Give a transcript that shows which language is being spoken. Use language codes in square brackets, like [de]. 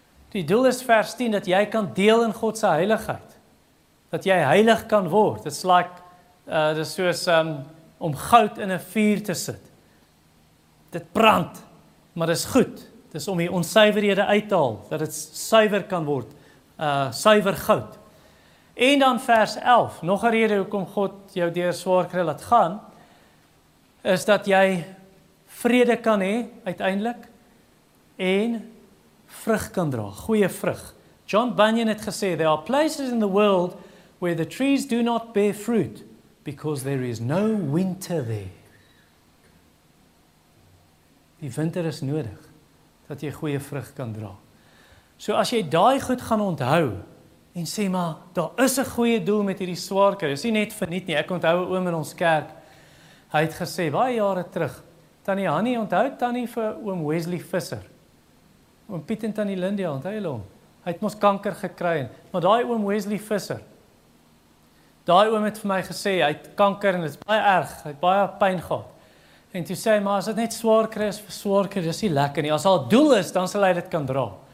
[af] Die doel is vers 10, dat jy kan deel in God se heiligheid, dat jy heilig kan word, dit is like, dit is soos, om goud in 'n vuur te sit, dit brand, maar dit is goed, dit is om die onsuiverhede uit te haal, dat dit suiwer kan word, suiwer goud. En dan vers 11, nog 'n rede hoekom God jou deur swaar kry laat gaan, is dat jy vrede kan hê uiteindelik en vrug kan dra, goeie vrug. [en] John Bunyan [af] het gesê, [en] there are places in the world where the trees do not bear fruit because there is no winter there. [af] Die winter is nodig dat jy goeie vrug kan dra. So as jy daai goed gaan onthou en sê maar, daar is 'n goeie doel met hierdie swaar kry, is nie net verniet nie, ek onthou 'n oom in ons kerk, hy het gesê, baie jare terug, Tannie Hannie, onthou Tannie vir oom Wesley Visser, oom Piet en Tannie Lindia, onthou julle hom, hy het mos kanker gekry, maar daai oom Wesley Visser, daai oom het vir my gesê, hy het kanker en dit is baie erg, hy het baie pyn gehad, en toe sê hy, maar as dit net swaar kry, is swaar kry, dis nie lekker nie, as al doel is, dan sal hy dit kan dra.